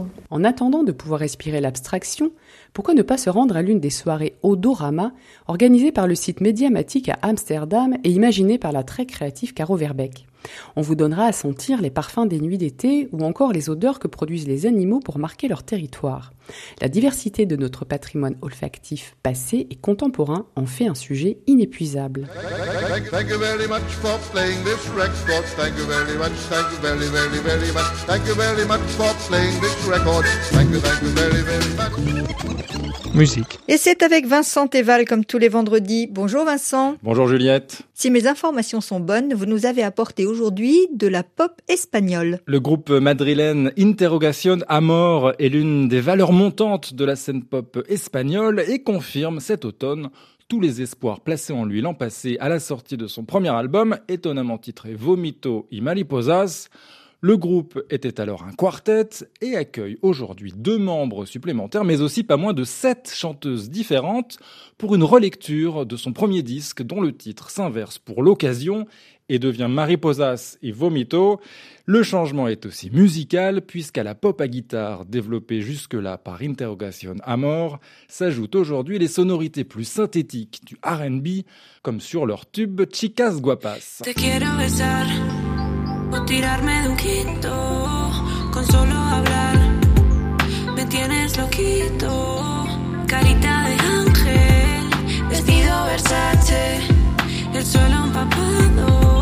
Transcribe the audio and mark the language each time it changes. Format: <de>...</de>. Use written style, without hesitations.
<fr>En attendant de pouvoir respirer l'abstraction, pourquoi ne pas se rendre à l'une des soirées Odorama organisées par le site Médiamatique à Amsterdam et imaginées par la très créative Caro Verbeek? On vous donnera à sentir les parfums des nuits d'été ou encore les odeurs que produisent les animaux pour marquer leur territoire. La diversité de notre patrimoine olfactif passé et contemporain en fait un sujet inépuisable.</fr> <en>Thank you very much for playing this record. Thank you very much, thank you very, very, very much. Thank you very much for playing this record. Thank you very, very much.</en> <fr>Musique. Et c'est avec Vincent Théval comme tous les vendredis. Bonjour Vincent. Bonjour Juliette. Si mes informations sont bonnes, vous nous avez apporté aujourd'hui de la pop espagnole. Le groupe madrilène Interrogación Amor est l'une des valeurs montantes de la scène pop espagnole et confirme cet automne tous les espoirs placés en lui l'an passé à la sortie de son premier album, étonnamment titré Vomito y Mariposas. Le groupe était alors un quartet et accueille aujourd'hui deux membres supplémentaires, mais aussi pas moins de sept chanteuses différentes pour une relecture de son premier disque dont le titre s'inverse pour l'occasion et devient Mariposas y Vomito. Le changement est aussi musical, puisqu'à la pop à guitare développée jusque-là par Interrogación Amor, s'ajoutent aujourd'hui les sonorités plus synthétiques du R&B, comme sur leur tube Chicas Guapas.</fr> <es>Te quiero besar, o tirarme de un quinto, con solo hablar, me tienes loquito, carita de ángel, vestido Versace, el suelo empapado.</es>